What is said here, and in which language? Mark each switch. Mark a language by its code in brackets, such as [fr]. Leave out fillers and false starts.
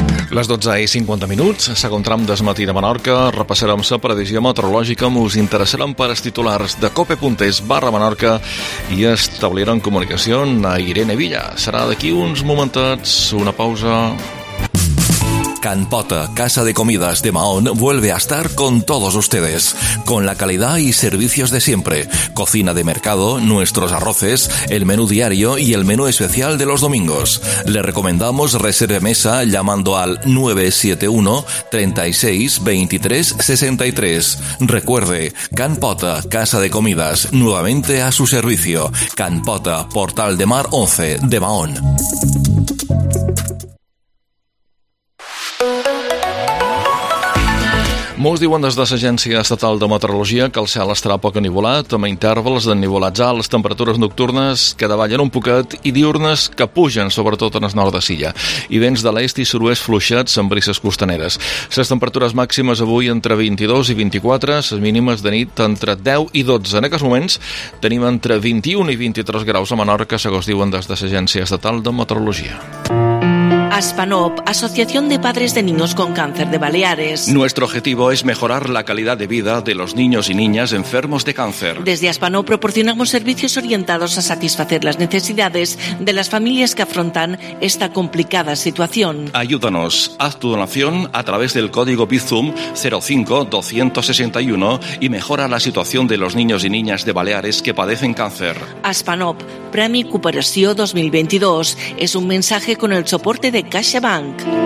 [ca] Les 12 i 50 minuts, segon tram d'Esmatí de Menorca, repassarem la previsió meteorològica, us interessaran per els titulars de cope.es/Menorca i establiran comunicació a Irene Villa. Serà d'aquí uns momentets, una pausa. [es] Can Pota, casa de comidas de Mahón, vuelve a estar con todos ustedes. Con la calidad y servicios de siempre. Cocina de mercado, nuestros arroces, el menú diario y el menú especial de los domingos. Le recomendamos reserve mesa llamando al 971-36-2363. Recuerde, Can Pota, casa de comidas, nuevamente a su servicio. Can Pota, Portal de Mar 11, de Mahón. [ca] Molts diuen des de l'Agència Estatal de Meteorologia que el cel estarà poc ennivolat, amb intervals d'ennivolats alts, temperatures nocturnes que davallen un poquet i diurnes que pugen, sobretot en el nord de Silla, i vents de l'est i sud-oest fluixats amb brises costaneres. Les temperatures màximes avui entre 22 i 24, les mínimes de nit entre 10 i 12. En aquests moments tenim entre 21 i 23 graus a Menorca, segons diuen des de l'Agència Estatal de Meteorologia. [es] ASPANOP, Asociación de Padres de Niños con Cáncer de Baleares. Nuestro objetivo es mejorar la calidad de vida de los niños y niñas enfermos de cáncer. Desde ASPANOP proporcionamos servicios orientados a satisfacer las necesidades de las familias que afrontan esta complicada situación. Ayúdanos. Haz tu donación a través del código BIZUM 05261 y mejora la situación de los niños y niñas de Baleares que padecen cáncer. ASPANOP, Premi Cooperació 2022. Es un mensaje con el soporte de CaixaBank.